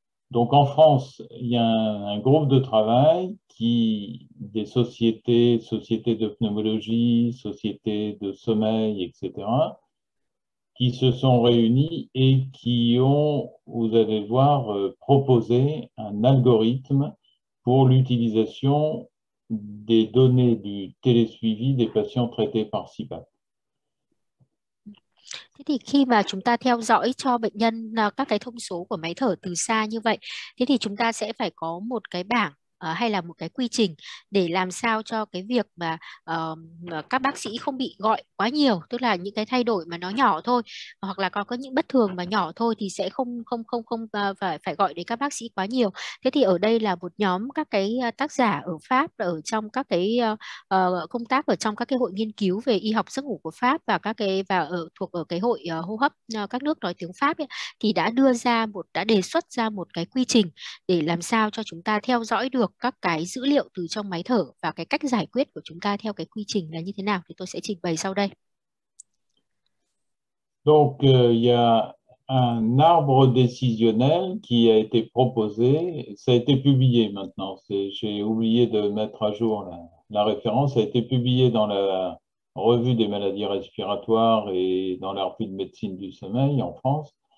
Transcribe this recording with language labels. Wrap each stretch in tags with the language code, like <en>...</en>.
<fr>Donc en France, il y a un groupe de travail qui, des sociétés de pneumologie, sociétés de sommeil, etc., qui se sont réunis et qui ont, vous allez voir, proposé un algorithme pour l'utilisation des données du télésuivi des patients traités par CPAP.</fr> <vi>Thế thì khi mà chúng ta theo dõi cho bệnh nhân các cái thông số của máy thở từ xa như vậy, thế thì chúng ta sẽ phải có một cái bảng hay là một cái quy trình để làm sao cho cái việc mà các bác sĩ không bị gọi quá nhiều, tức là những cái thay đổi mà nó nhỏ thôi hoặc là có những bất thường mà nhỏ thôi thì sẽ không không không không phải phải gọi đến các bác sĩ quá nhiều. Thế thì ở đây là một nhóm các cái tác giả ở Pháp, ở trong các cái công tác ở trong các cái hội nghiên cứu về y học giấc ngủ của Pháp và các cái và ở thuộc ở cái hội hô hấp các nước nói tiếng Pháp ấy, thì đã đề xuất ra một cái quy trình để làm sao cho chúng ta theo dõi được các cái dữ liệu từ trong máy thở và cái cách giải quyết của chúng ta theo cái quy trình là như thế nào thì tôi sẽ trình bày sau đây.</vi> <fr>Donc, il y a un arbre décisionnel qui a été proposé, ça a été publié maintenant, j'ai oublié de mettre à jour la référence, ça a été publié dans la Revue des maladies respiratoires et dans la Revue de médecine du sommeil en France.</fr>